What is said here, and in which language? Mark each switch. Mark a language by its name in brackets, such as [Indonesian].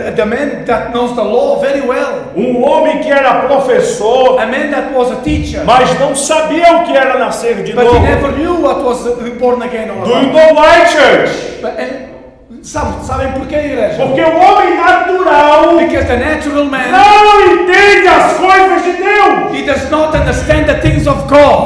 [English] The man that knows the law very well. [Portuguese] Um homem que era professor. [English] A man that was a teacher. [Portuguese] Mas não sabia o que era nascer de [English] but [Portuguese] novo. [English] But he never knew what was born again. Do you know why, church? [Portuguese] Sabe por quê, igreja? Porque o homem natural, [English] because the natural man, [Portuguese] não entende as coisas de Deus. [English] He does not understand the things of God.